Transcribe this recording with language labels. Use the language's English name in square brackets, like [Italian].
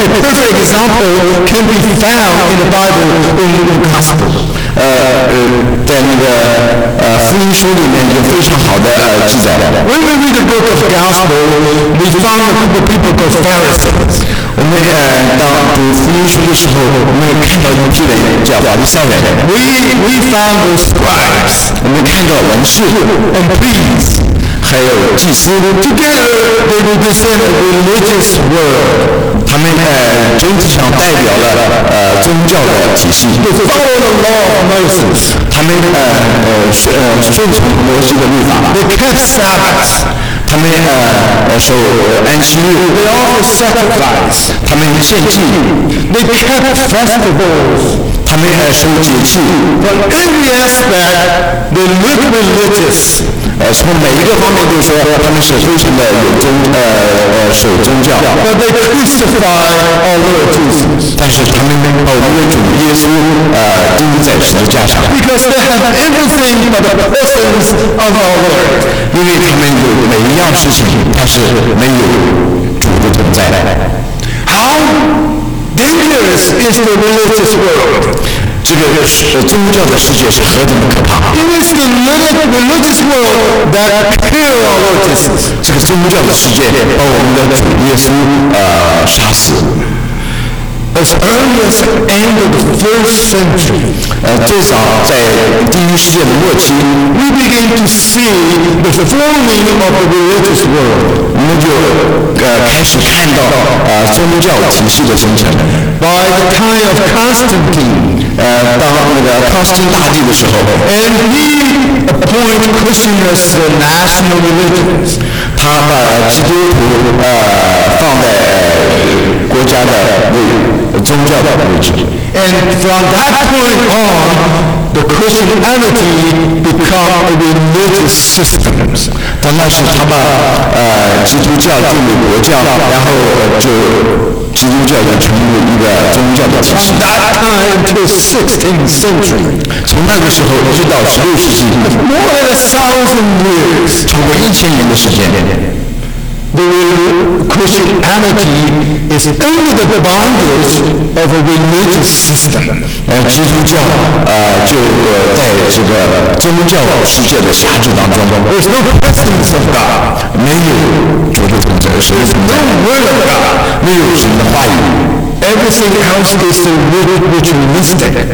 [English] ？A perfect example can be found in the Bible in the Gospel. [Chinese] 在那个福音书里面有非常好的记载的。 [English] When we read the book of Gospel, we found a group of people called Pharisees. [Chinese] 我们当读福音书的时候，我们看到一批人叫法利赛人。 [English] We found the scribes. [Chinese] 我们看到文士 [English] and priests. [Chinese] 还有祭司。 [English] Together, they represent the religious world. [Chinese] 他们整体上代表了宗教的体系。 [English] They follow the law of Moses. [Chinese] 他们顺从摩西的律法。 [English] They kept Sabbath. [Chinese] 他们守安息日 [English] ，They offer sacrifices. [Chinese] 他们献祭 [English] ，They kept festivals. [Chinese] 他们守节气 [English] From every aspect, they look religious. [Chinese] 从每一个方面都说他们是非常的有宗守宗教。 [English] But they crucify our Lord Jesus. [Chinese] 但是他们把我们的主耶稣钉在十字架上。 [English] Because they have everything but the presence of our Lord. [Chinese] 因为他们有每一样事情，但是没有主的存在。 [English] How dangerous is the religious world? [Chinese] 这个宗教的世界是何等的可怕 [English] ！It is the religious world that kills our Lord Jesus. [Chinese] 这个宗教的世界把我们的主耶稣杀死。 [English] as early as the end of the first century, [Chinese] 至少在第一世纪的末期 [English] we begin to see the forming of the religious world. [Chinese] 我们就开始看到宗教体系的形成。 [English] By the time of Constantine, [Chinese] 当那个康斯坦丁大帝的时候 [English] and he appointed Christian as the national religion. [Chinese] 他把基督徒放在国家的宗教的位置。 [English] And from that point on, the Christianity become a religious system. [Chinese] 当那时他把基督教进入国教，然后就基督教就成为一个宗教的体系。 [English] From that time to 16th century, [Chinese] 从那个时候一直到16世纪 [English] ，more than 1,000 years, [Chinese] 超过1,000年的时间。 [English] The Christianity is under the boundaries of a religious system. [Chinese] 基督教就在这个宗教世界的辖制当中。 [English] There's no presence of God. [Chinese] 没有主的存在，谁存在 [English] ？No word of God. [Chinese] 没有神的话语。 [English] Everything else is a ritualistic.